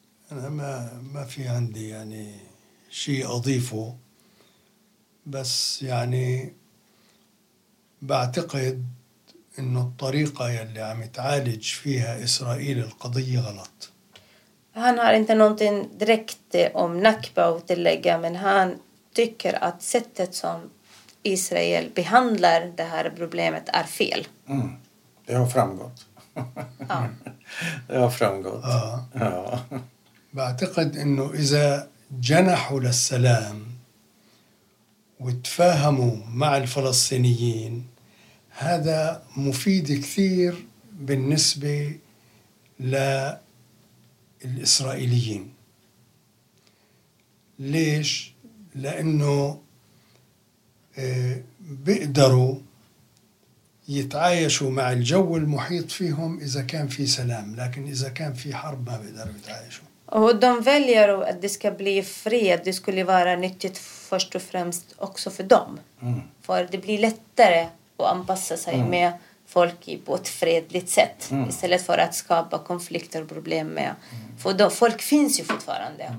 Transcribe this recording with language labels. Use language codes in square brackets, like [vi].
[ar] أنا ما في عندي يعني شيء أضيفه بس يعني بعتقد إنه الطريقة يلي عم تعالج فيها إسرائيل القضية غلط. [sv] Han har inte någonting direkt om Nakba att tillägga, men han tycker att sättet som Israel behandlar det här problemet är fel. Det har framgått. Det har framgått. Ja. [ar] بعتقد إنه إذا جنحوا للسلام وتفاهموا مع الفلسطينيين هذا مفيد كثير بالنسبة للإسرائيليين. ليش؟ لأنه بيقدروا يتعايشوا مع الجو المحيط فيهم إذا كان في سلام، لكن إذا كان في حرب ما بيقدروا يتعايشوا. [sv] Och de väljer att det ska bli fred. Det skulle vara nyttigt först och främst också för dem. För det blir lättare att anpassa sig med folk på ett fredligt sätt. Istället för att skapa konflikter och problem med. För då, folk finns ju fortfarande.